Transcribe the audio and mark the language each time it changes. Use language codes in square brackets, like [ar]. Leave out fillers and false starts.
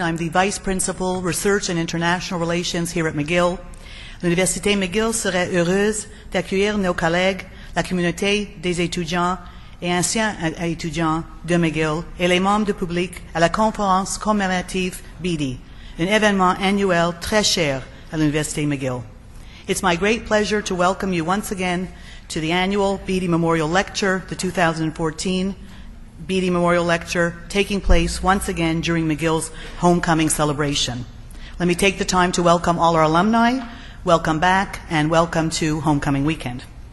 [en] I'm the Vice Principal, Research and International Relations here at McGill. [fr] L'Université McGill serait heureuse d'accueillir nos collègues, la communauté des étudiants et anciens étudiants de McGill et les membres du public à la conférence commémorative BD, un événement annuel très cher à l'Université McGill. [en] It's my great pleasure to welcome you once again to the annual BD Memorial Lecture, the 2014 BD Memorial Lecture, taking place once again during McGill's homecoming celebration. Let me take the time to welcome all our alumni, welcome back, and welcome to homecoming weekend.